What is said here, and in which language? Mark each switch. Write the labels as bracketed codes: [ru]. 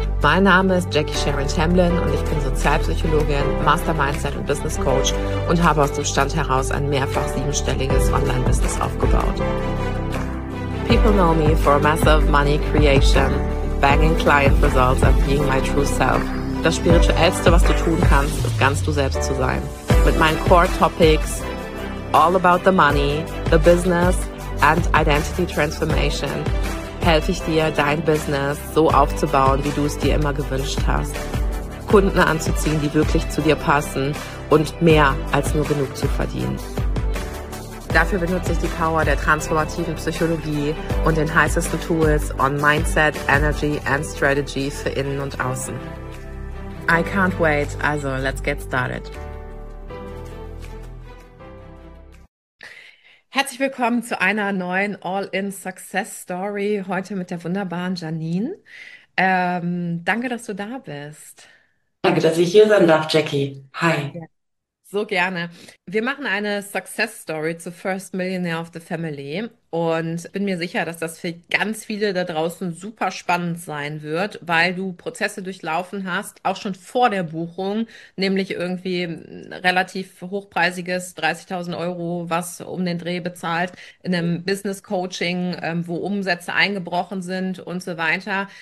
[de] Mein Name ist Jackie Sharon Tamblyn und ich bin Sozialpsychologin, Master Mindset und Business Coach und habe aus dem Stand heraus ein mehrfach siebenstelliges Online-Business aufgebaut. [en] People know me for massive money creation, banging client results and being my true self. [de] Das Spirituellste, was du tun kannst, ist ganz du selbst zu sein. Mit meinen Core Topics, [en] all about the money, the business and identity transformation, [de] helfe ich dir, dein Business so aufzubauen, wie du es dir immer gewünscht hast. Kunden anzuziehen, die wirklich zu dir passen und mehr als nur genug zu verdienen. Dafür benutze ich die Power der transformativen Psychologie und den heißesten Tools [en] on Mindset, Energy and Strategy [de] für Innen und Außen. [en] I can't wait, also let's get started. [de] Herzlich willkommen zu einer neuen All-in-Success-Story, heute mit der wunderbaren Janine. Danke, dass du da bist. Danke, dass ich hier sein darf, Jackie. Hi. So gerne. Wir machen eine Success-Story zu First Millionaire of the Family und bin mir sicher, dass das für ganz viele da draußen super spannend sein wird, weil du Prozesse durchlaufen hast, auch schon vor der Buchung, nämlich irgendwie ein relativ hochpreisiges 30.000 Euro, was um den Dreh bezahlt, in einem Business-Coaching, wo Umsätze eingebrochen sind und so weiter.